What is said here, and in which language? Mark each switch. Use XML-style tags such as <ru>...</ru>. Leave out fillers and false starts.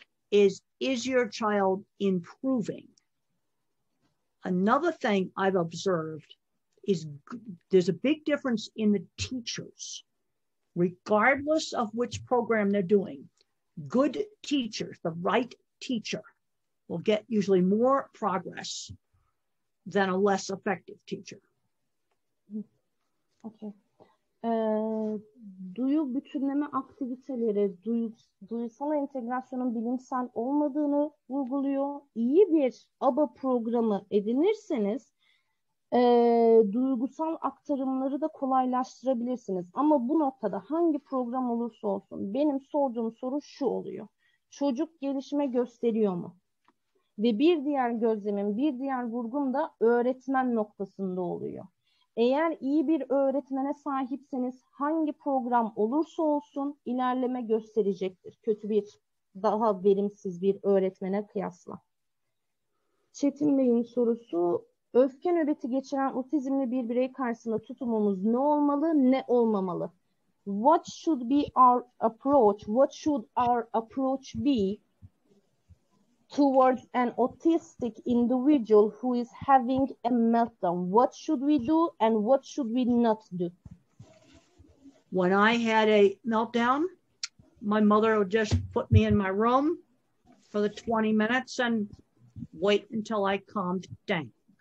<en>is your child improving? Another thing I've observed is there's a big difference in the teachers. Regardless of which program they're doing, good teachers, the right teacher, will get usually more progress than a less effective teacher. Okay.</en> <tr>Duyu bütünleme aktiviteleri, duysal entegrasyonun bilimsel olmadığını vurguluyor. İyi bir ABA programı edinirseniz, duygusal aktarımları da kolaylaştırabilirsiniz. Ama bu noktada hangi program olursa olsun, benim sorduğum soru şu oluyor. Çocuk gelişime gösteriyor mu? Ve bir diğer gözlemim, bir diğer vurgum da öğretmen noktasında oluyor. Eğer iyi bir öğretmene sahipseniz, hangi program olursa olsun ilerleme gösterecektir. Kötü bir, daha verimsiz bir öğretmene kıyasla. Çetin Bey'in sorusu, öfke nöbeti geçiren otizmli bir birey karşısında tutumumuz ne olmalı, ne olmamalı?</tr> <en>What should be our approach? What should our approach be towards an autistic individual who is having a meltdown? What should we do and what should we not do? When I had a meltdown, my mother would just put me in my room for the 20 minutes and wait until I calmed down.</en>